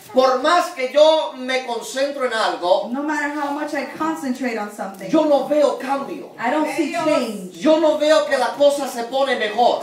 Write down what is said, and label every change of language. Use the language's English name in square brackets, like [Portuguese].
[Spanish] por más que yo me concentro en algo, [English] no matter how much I concentrate on something, [Spanish] yo no veo cambio. [English] I don't see change. [Spanish] Yo no veo que la cosa se pone mejor.